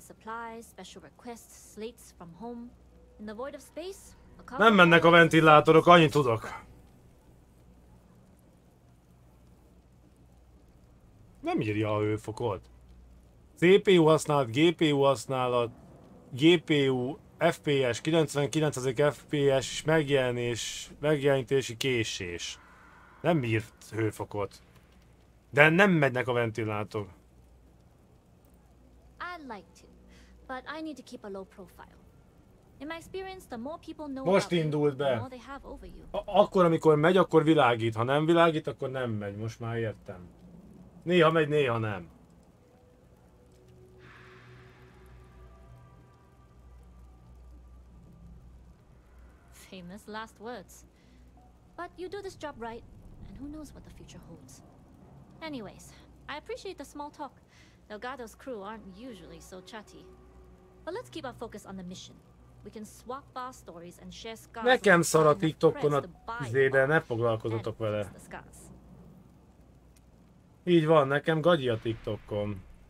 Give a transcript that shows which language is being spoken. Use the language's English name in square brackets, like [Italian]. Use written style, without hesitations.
[English] Supplies, special requests, slates from home. In the void of space, [Hungarian] nem mennek a ventilátorok, annyit tudok. Nem írja a hőfokot. CPU használat, GPU használat, GPU FPS, 99. FPS megjelenés, megjelenítési késés. Nem írt hőfokot. De nem megynek a ventilátor. [English] I'd like to, but I need to keep a low profile. In my experience, the more people know [Hungarian] most indult be. [English] The more they have over you. [Hungarian] Akkor, amikor megy, akkor világít. Ha nem világít, akkor nem megy. Most már értem. Néha megy, néha nem. [English] Famous last words. But you do this job right, and who knows what the future holds. Anyways, I appreciate the small talk. Delgado's crew aren't usually so chatty. But let's keep our focus on the mission. We can swap our stories and share scars. [Hungarian] Nekem szar a TikTokon a izé, de ne foglalkozzatok vele. Így van, nekem gagyi a TikTokon.